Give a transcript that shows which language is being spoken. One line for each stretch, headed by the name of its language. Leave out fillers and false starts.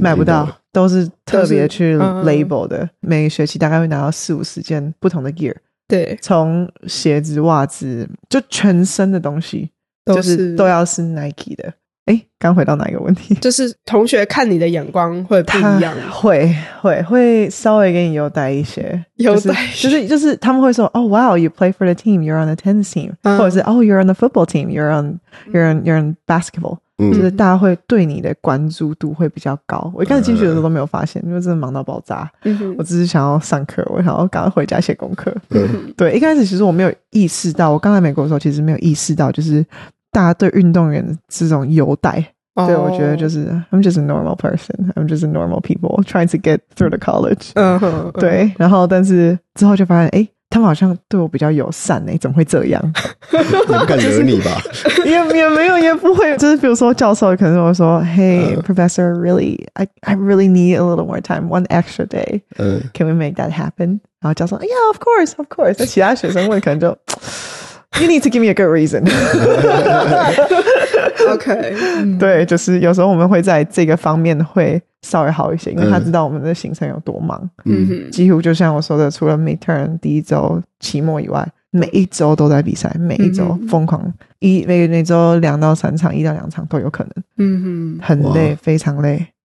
Chinese: 买不到，都是特别去 label 的、每个学期大概会拿到四五十件不同的 gear，对，从鞋子袜子就全身的东西都是都要是 Nike 的。哎，刚回到哪一个问题，就是同学看你的眼光会不一样，会稍微给你优待一些，优待一些、就是他们会说
English: Oh wow you play for the team you're on the tennis team、
Chinese: 或者是
English: Oh you're on the football team you're on basketball、
Chinese: 就是大家会对你的关注度会比较高。我一开始进去的时候都没有发现，因为真的忙到爆炸、我只是想要上课，我想要赶快回家写功课、对，一开始其实我没有意识到，我刚来美国的时候其实没有意识到就是大家对运动员这种优待、对，我觉得就是
English: I'm just a normal person I'm just a normal people trying to get through the college、
Chinese: 对，然后但是之后就发现哎、他们好像对我比较友善哎、怎么会这样，你不敢惹你吧、就是、也没有也不会，就是比如说教授可能会说
English: Hey、professor really I really need a little more time one extra day、can we make that happen，
Chinese: 然后教授
English: Yeah of course
Chinese: 那其他学生问可能就
English: You need to give me a good reason. OK、
Chinese: 对，就是有时候我们会在这个方面会稍微好一些，因为他知道我们的行程有多忙、几乎就像我说的，除了 midterm 第一周期末以外，每一周都在比赛，每一周疯狂、每周两到三场，一到两场都有可能、很累，非常累。